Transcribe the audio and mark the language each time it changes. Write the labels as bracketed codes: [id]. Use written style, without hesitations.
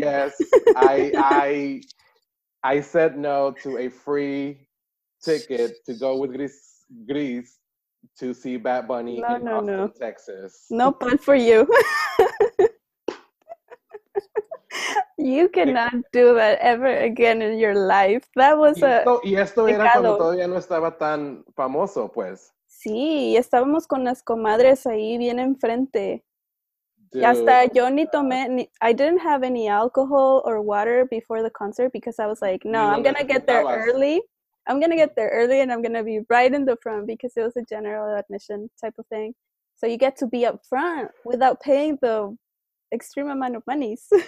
[en] Yes, I said no to a free ticket to go with Gris to see Bat Bunny in Austin, Texas. No pun for you. You cannot do that ever again in your life. That was a [es] y esto era cuando todavía no estaba tan famoso, pues. Sí, y estábamos con las comadres ahí bien enfrente. [en] Dude, [es] y hasta yo ni tomé, [en] I didn't have any alcohol or water before the concert because I was like, no, I'm going to get there early. I'm going to get there early and I'm going to be right in the front because it was a general admission type of thing. So you get to be up front without paying the extreme amount of monies.